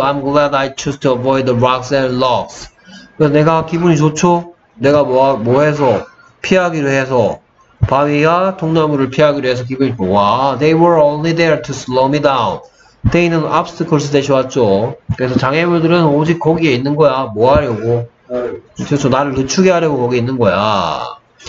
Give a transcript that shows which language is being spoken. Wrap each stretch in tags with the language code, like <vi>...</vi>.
<en>I'm glad I choose to avoid the rocks and logs.</en> <ko>그래서 내가 기분이 좋죠? 내가 뭐 해서 피하기로 해서 바위와 통나무를 피하기로 해서 기분이 좋아.</ko> <en>They were only there to slow me down.</en> <ko>They는 obstacles 대신 왔죠. 그래서 장애물들은 오직 거기에 있는 거야. 뭐 하려고? 그렇죠. 나를 늦추게 하려고 거기 있는 거야.</ko>